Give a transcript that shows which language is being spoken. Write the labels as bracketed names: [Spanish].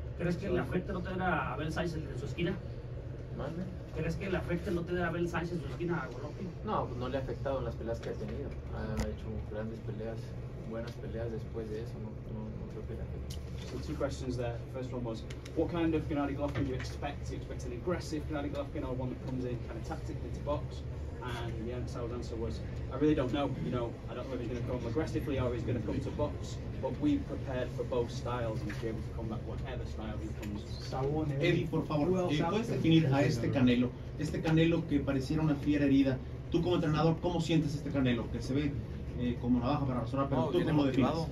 [Spanish] ¿Crees que le afecte no tener a Abel Sainz en su esquina? ¿Mande? ¿Crees que le afecte no tener a Abel Sainz en su esquina a Golovkin? No, no le ha afectado en las peleas que ha tenido. Ha hecho grandes peleas, buenas peleas después de eso. No creo que le afecte. [English] So two questions there. The first one was, what kind of Gennadiy Golovkin do you expect? Do you expect an aggressive Gennadiy Golovkin or one that comes in kind of tactically to box? And the answer was, I really don't know. You know, I don't know if he's going to come aggressively or he's going to come to box. But we prepared for both styles and be able to combat whatever style he comes. [Spanish] Eddie, por favor, ¿puedes definir a este Canelo? Este Canelo que pareciera una fiera herida. Tú como entrenador, ¿cómo sientes este Canelo? Que se ve como navaja para razonar, pero tú cómo lo defines.